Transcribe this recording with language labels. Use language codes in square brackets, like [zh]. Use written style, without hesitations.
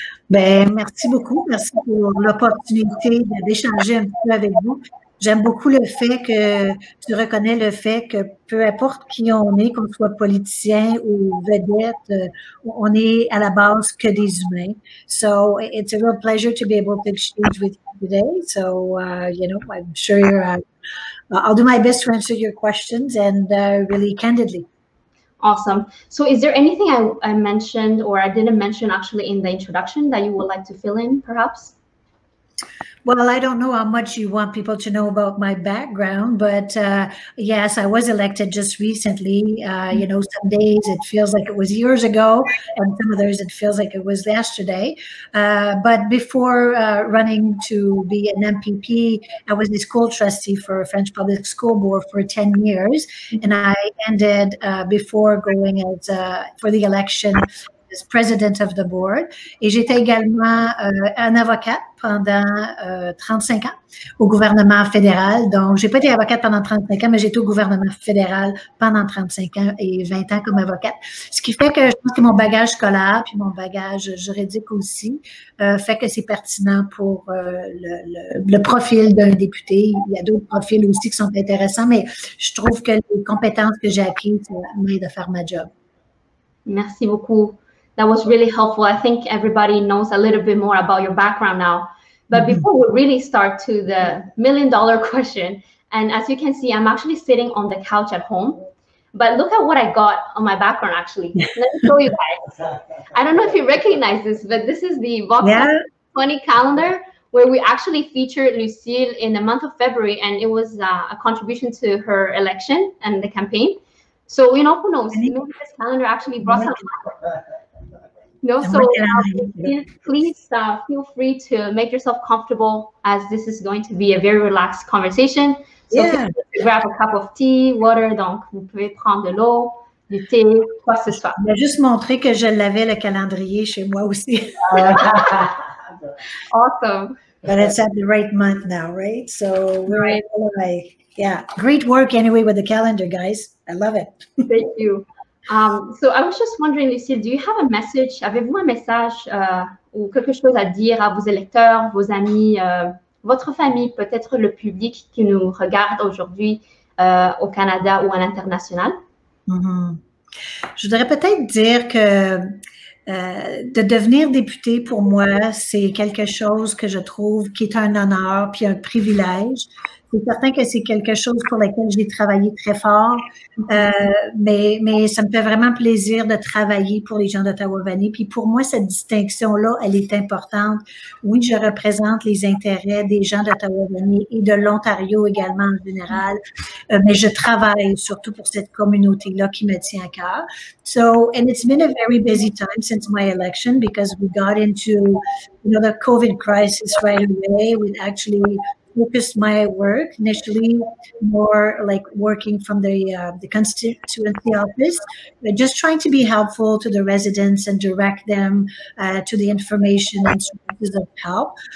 [fr] Ben, merci beaucoup. Merci pour l'opportunité d'échanger un peu avec vous. J'aime beaucoup le fait que tu reconnais le fait que peu importe qui on est, qu'on soit politicien ou vedette, on n'est à la base que des humains. [en] So, it's a real pleasure to be able to exchange with you today. So, you know, I'm sure you're... I'll do my best to answer your questions and really candidly. Awesome. So is there anything I mentioned or I didn't mention actually in the introduction that you would like to fill in perhaps? Well, I don't know how much you want people to know about my background, but yes, I was elected just recently. You know, some days it feels like it was years ago, and some others it feels like it was yesterday. But before running to be an MPP, I was the school trustee for a French public school board for 10 years, and I ended before going as for the election as president of the board. [fr] Et j'étais également un avocat pendant 35 ans au gouvernement fédéral. Donc, j'ai pas été avocate pendant 35 ans, mais j'étais au gouvernement fédéral pendant 35 ans et 20 ans comme avocate. Ce qui fait que je pense que mon bagage scolaire puis mon bagage juridique aussi fait que c'est pertinent pour le profil d'un député. Il y a d'autres profils aussi qui sont intéressants, mais je trouve que les compétences que j'ai acquises m'aident à faire ma job. Merci beaucoup. [en] That was really helpful. I think everybody knows a little bit more about your background now. But before we really start to the million-dollar question, and as you can see, I'm actually sitting on the couch at home. But look at what I got on my background, actually. Let me show you guys. I don't know if you recognize this, but this is the Vox 20 calendar where we actually featured Lucille in the month of February, and it was a contribution to her election and the campaign. So, you know, who knows? Maybe this calendar actually brought something. No, so please feel free to make yourself comfortable as this is going to be a very relaxed conversation. So grab a cup of tea, water, [fr] donc vous pouvez prendre de l'eau, du thé, quoi que ce soit. Je vais juste montrer que je l'avais le calendrier chez moi aussi. [en] Awesome. But it's at the right month now, right? So we're right. Yeah, great work anyway with the calendar, guys. I love it. Thank you. So I was just wondering, Lucille, do you have a message? [fr] Avez-vous un message ou quelque chose à dire à vos électeurs, vos amis, votre famille, peut-être le public qui nous regarde aujourd'hui au Canada ou à l'international? Mm-hmm. Je voudrais peut-être dire que de devenir députée pour moi, c'est quelque chose que je trouve qui est un honneur puis un privilège. C'est certain que c'est quelque chose pour lequel j'ai travaillé très fort, mais ça me fait vraiment plaisir de travailler pour les gens d'Ottawa-Vanier. Puis pour moi, cette distinction-là, elle est importante. Oui, je représente les intérêts des gens d'Ottawa-Vanier et de l'Ontario également en général, mais je travaille surtout pour cette communauté-là qui me tient à cœur. [en] So, and it's been a very busy time since my election because we got into, you know, the COVID crisis right away. We actually focused my work initially more like working from the constituency office, but just trying to be helpful to the residents and direct them to the information and services of help.